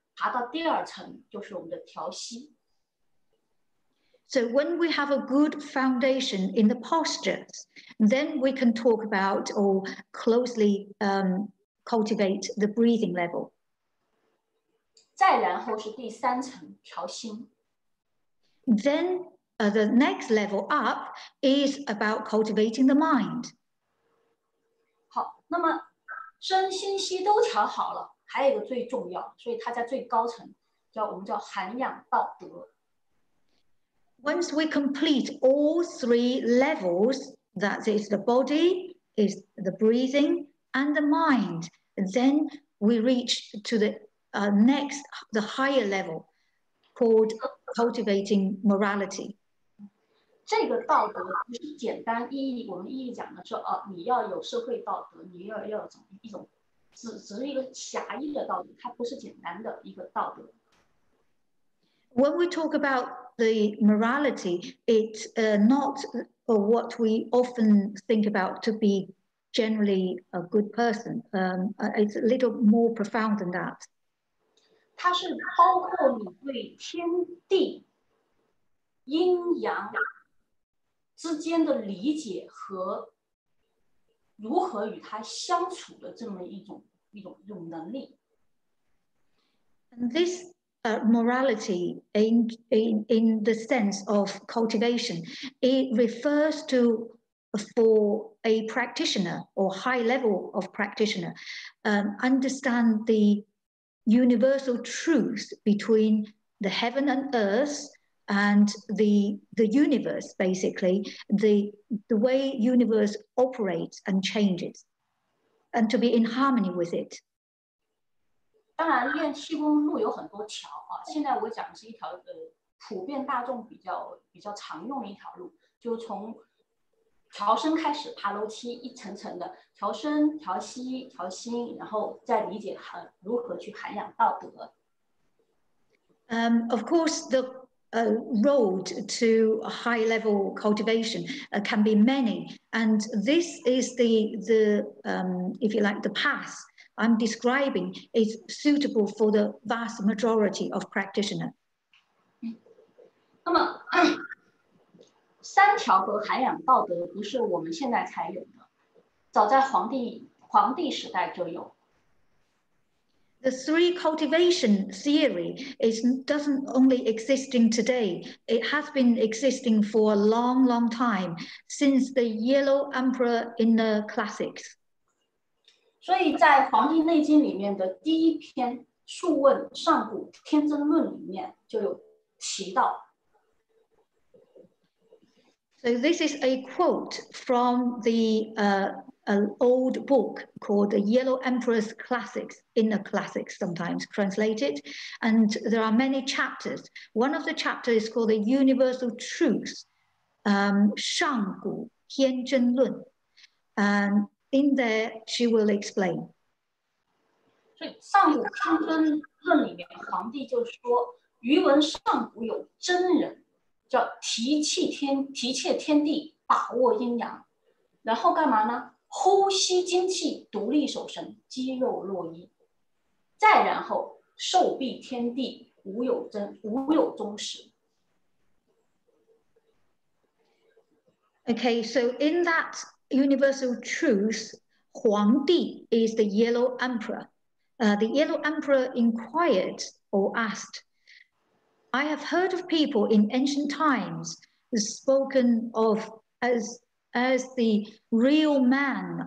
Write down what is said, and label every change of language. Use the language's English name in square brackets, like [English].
[Chinese] 那么当你地基打好，打牢固之后，你可以往上爬，爬到第二层，就是我们的调息。 [English] So when we have a good foundation in the postures, then we can talk about or closely cultivate the breathing level. [Chinese] 再然后是第三层调心。 [English] Then the next level up is about cultivating the mind. [Chinese] 好，那么身心息都调好了，还有一个最重要，所以它在最高层，叫我们叫涵养道德。 [English] Once we complete all three levels, that is the body, is the breathing, and the mind, then we reach to the next, the higher level, called cultivating morality. [Chinese] 这个道德不是简单意义，我们意义讲的是、啊、你要有社会道德，你要有一种只是一个狭义的道德，它不是简单的一个道德。 [English] When we talk about the morality, it's not what we often think about to be generally a good person. It's a little more profound than that. [Chinese] 它是包括你对天地阴阳之间的理解和如何与它相处的这么一种能力。 [English] And this morality in the sense of cultivation, it refers to for a practitioner or high level of practitioner, understand the universal truth between the heaven and earth. And the universe, basically, the way universe operates and changes, and to be in harmony with it. [Chinese] 当然，练气功路有很多条啊。现在我讲的是一条普遍大众比较常用的一条路，就从调身开始，爬楼梯，一层层的调身、调息、调心，然后再理解如何去涵养道德。 [English] Of course, the road to high level cultivation can be many, and this is the if you like the path I'm describing is suitable for the vast majority of practitioner. [Chinese] 那么三条和涵养道德不是我们现在才有的，早在皇帝时代就有。 [English] The three cultivation theory doesn't only exist in today. It has been existing for a long, long time since the Yellow Emperor in the classics. [Chinese] 所以在《黄帝内经》里面的第一篇《素问·上古天真论》里面就有提到。 [English] So this is a quote from the an old book called The Yellow Emperor's Classics, Inner Classics sometimes translated, and there are many chapters. One of the chapters is called The Universal Truth, 上古天真论. And in there, she will explain. [Chinese] 所以上古天真论里面皇帝就说余闻上古有真人叫提切天地把握阴阳然后干嘛呢呼吸精气，独立守神，肌肉若一。再然后，受蔽天地，无有终始。 [English] Okay, so in that universal truth, 皇帝 is the Yellow Emperor. The Yellow Emperor inquired or asked, I have heard of people in ancient times spoken of as the real man.